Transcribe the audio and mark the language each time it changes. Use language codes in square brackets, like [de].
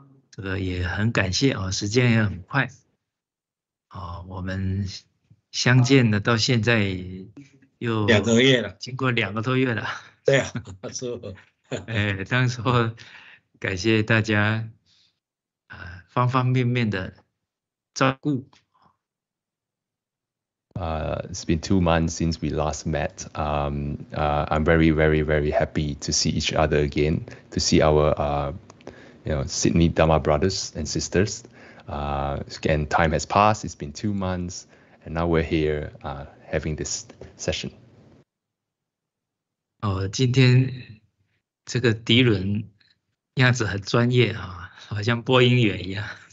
[zh] 这个也很感谢啊，时间也很快啊，我们相见的到现在又两个月了，经过两个多月了。对啊，是。当时候感谢大家方方面面的照顾。 [en] It's been 2 months since we last met. I'm very, very, very happy to see each other again, to see our Sydney Dharma brothers and sisters. And time has passed, it's been 2 months, and now we're here having this session. [zh] 今天这个迪伦样子很专业啊，好像播音员一样。